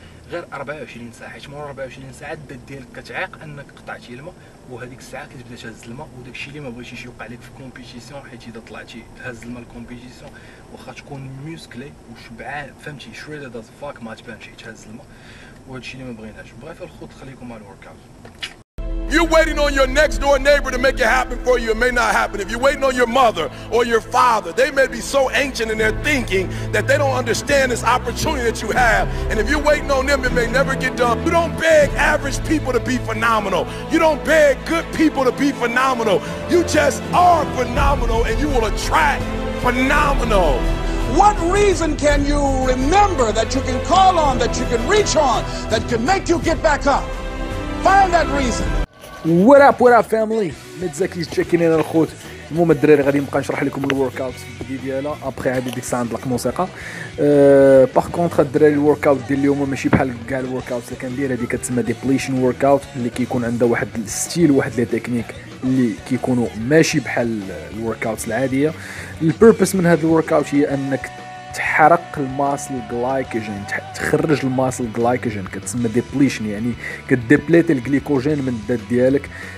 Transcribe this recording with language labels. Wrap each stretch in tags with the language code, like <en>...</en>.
<ar>غير 24 ساعه حيت مور 24 ساعه الدات ديالك كتعيق انك قطعتي الماء وهذيك الساعه كتبدا تهز الماء وداك الشيء اللي ما بغيتيش يوقع لك في كومبيتيسيون حيت اذا طلعتي تهز الماء الكومبيتيسيون واخا تكون ميوسكلي وشبعان فهمتي شريدر داز فاك ما تبانش تهز الماء وهذا الشيء اللي ما بغيناش بغيت الخوت خليكم على الورك اوت</ar> <en>You're waiting on your next door neighbor to make it happen for you. It may not happen. If you're waiting on your mother or your father, they may be so ancient in their thinking that they don't understand this opportunity that you have. And if you're waiting on them, it may never get done. You don't beg average people to be phenomenal. You don't beg good people to be phenomenal. You just are phenomenal and you will attract phenomenal. What reason can you remember that you can call on, that you can reach on, that can make you get back up? Find that reason. What up family</en> <ar>متزكيز تشيكين انا الخوت المهم الدراري غادي نبقى نشرح لكم الورك اوت ديالها ابري هذه ديك الساعه نطلق موسيقى باغ كونتر الدراري الورك اوت ديال اليوم ماشي بحال كاع الورك اوت اللي كندير هذه كتسمى ديبليشن ورك اوت اللي كيكون عنده واحد الستيل واحد لي تكنيك اللي كيكونوا ماشي بحال الورك اوت العاديه البيربس من هذا الورك اوت هي انك تحرق الماسل جلايكوجين تخرج الماسل جلايكوجين كتسمى ديبليشن يعني كديبليت الجليكوجين من الدات ديالك</ar>